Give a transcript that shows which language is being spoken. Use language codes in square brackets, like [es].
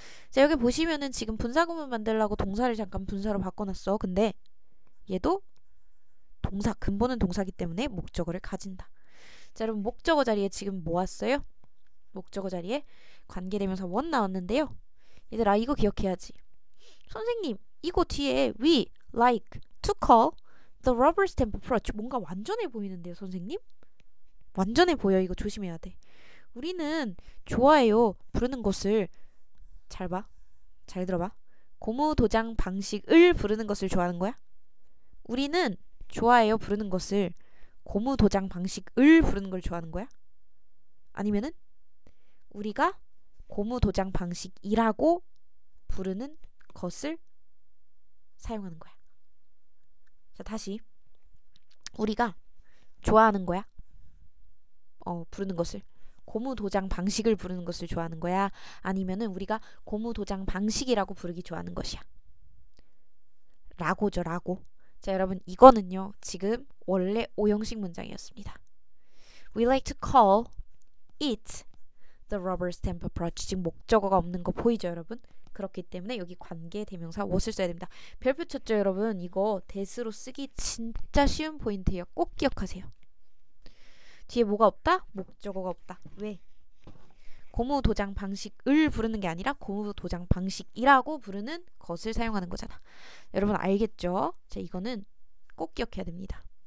[ko] 자, 여기 보시면은 지금 분사구문 만들려고 동사를 잠깐 분사로 바꿔놨어. 근데 얘도 동사, 근본은 동사기 때문에 목적어를 가진다. 자, 여러분, 목적어 자리에 지금 뭐 왔어요? 목적어 자리에 관계대명사 원 나왔는데요. 얘들아, 이거 기억해야지. 선생님, 이거 뒤에 [en] we like to call the rubber stamp approach. [ko] 뭔가 완전해 보이는데요, 선생님? 완전해 보여. 이거 조심해야 돼. 우리는 좋아해요, 부르는 것을. 잘 봐. 잘 들어봐. 고무 도장 방식을 부르는 것을 좋아하는 거야? 우리는 좋아해요, 부르는 것을. 고무 도장 방식을 부르는 걸 좋아하는 거야? 아니면은 우리가 고무 도장 방식이라고 부르는 것을 사용하는 거야? 자, 다시. 우리가 좋아하는 거야? 부르는 것을. 고무 도장 방식을 부르는 것을 좋아하는 거야? 아니면은 우리가 고무 도장 방식이라고 부르기 좋아하는 것이야? 라고죠, 라고. 자, 여러분, 이거는요, 지금 원래 오형식 문장이었습니다. [en] We like to call it the rubber stamp approach. [ko] 지금 목적어가 없는 거 보이죠, 여러분? 그렇기 때문에 여기 관계대명사 what을 써야 됩니다. 별표 쳤죠, 여러분? 이거 대수로 쓰기 진짜 쉬운 포인트예요. 꼭 기억하세요. 뒤에 뭐가 없다? 목적어가 없다. 왜? 고무 도장 방식을 부르는 게 아니라 고무 도장 방식이라고 부르는 것을 사용하는 거잖아. 여러분 알겠죠? 자, 이거는 꼭 기억해야 됩니다.